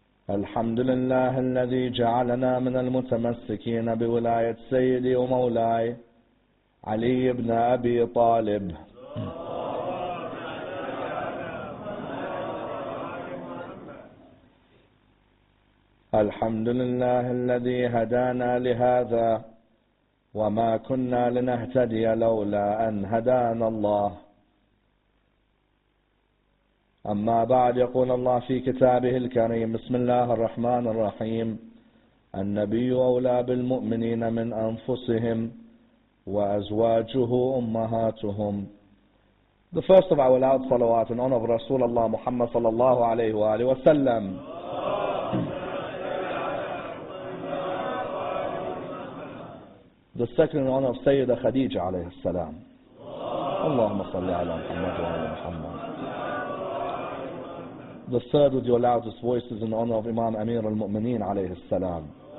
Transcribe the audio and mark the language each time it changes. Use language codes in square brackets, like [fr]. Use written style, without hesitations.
[ar] الحمد لله الذي جعلنا من المتمسكين بولاية سيدي ومولاي علي بن أبي طالب، الحمد لله الذي هدانا لهذا وما كنا لنهتدي لولا أن هدانا الله. أما بعد، يقول الله في كتابه الكريم، بسم الله الرحمن الرحيم: النبي أولى بالمؤمنين من أنفسهم وأزواجه أمهاتهم. [en] The first of our loud salawat in honor of Rasulullah Muhammad [ar] صلى الله عليه وآله وسلم. [en] The second in honor of Sayyida Khadija [ar] عليه السلام. اللهم صل على محمد وعلى محمد. [en] The third with your loudest voices in honor of Imam Amir al-Mu'mineen alayhi salam.